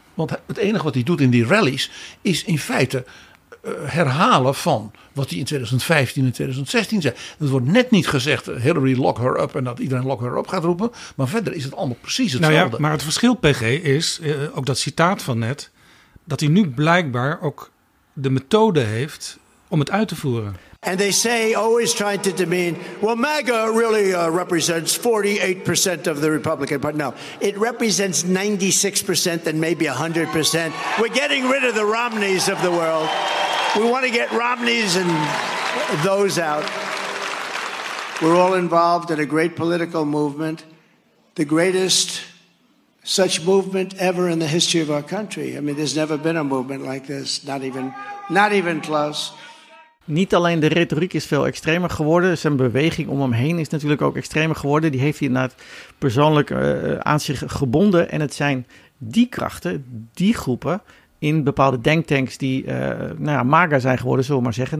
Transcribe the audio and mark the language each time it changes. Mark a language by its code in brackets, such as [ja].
[nl] Want het enige wat hij doet in die rallies is in feite herhalen van wat hij in 2015 en 2016 zei. Het wordt net niet gezegd Hillary [en] lock her up [nl] en dat iedereen lock her up gaat roepen. Maar verder is het allemaal precies hetzelfde. Nou ja, maar het verschil, PG, is ook dat citaat van net, dat hij nu blijkbaar ook de methode heeft om het uit te voeren. [en] And they say, always trying to demean, well, MAGA really represents 48% of the Republican Party. No, it represents 96% and maybe 100%. We're getting rid of the Romneys of the world. We want to get Romneys and those out. We're all involved in a great political movement, the greatest such movement ever in the history of our country. I mean, there's never been a movement like this, not even close. [nl] Niet alleen de retoriek is veel extremer geworden. Zijn beweging om hem heen is natuurlijk ook extremer geworden. Die heeft hij inderdaad persoonlijk aan zich gebonden. En het zijn die krachten, die groepen, in bepaalde denktanks die MAGA zijn geworden, zullen we maar zeggen.